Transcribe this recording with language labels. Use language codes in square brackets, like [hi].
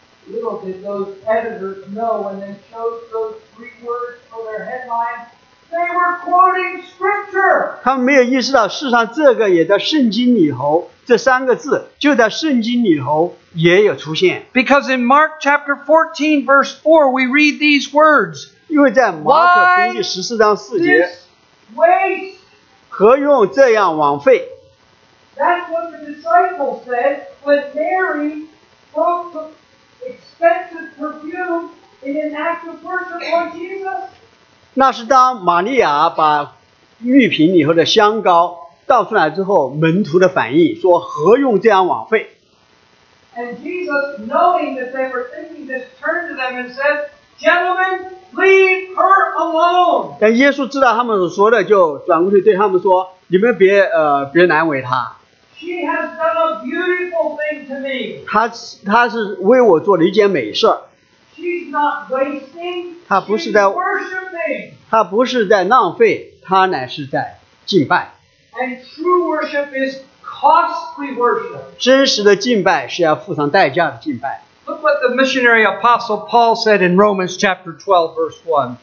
[en] Little did those editors know when they chose those 3 words for their headline, they were quoting scripture! [zh] 他们没有意识到，事实上这个也在圣经里头，这3个字就在圣经里头也有出现。 [en] Because in Mark chapter 14, verse 4, we read these words. [zh] 因为在马可福音14章4节， [en] Why this waste? [zh] 何用这样枉费？ [en] That's what the disciples said when Mary broke the expensive perfume in an act of worship on Jesus. [zh] 那是当玛利亚把玉瓶里头的香膏倒出来之后，门徒的反应说：“何用这样枉费？” [en] And Jesus, knowing that they were thinking this, turned to them and said, Gentlemen, leave her alone. [zh] 但耶稣知道他们所说的，就转过去对他们说， 你们别难为她。 [en] She has done a beautiful thing to me. [zh] 她是为我做了一件美事。 [en] She's not wasting. [zh] 她不是在, [en] She's worshiping. [zh] 她不是在浪费, 她乃是在敬拜。 [en] And true worship is costly worship. [zh] 真实的敬拜是要付上代价的敬拜。 [en] Look what the missionary apostle Paul said in Romans chapter 12, verse 1.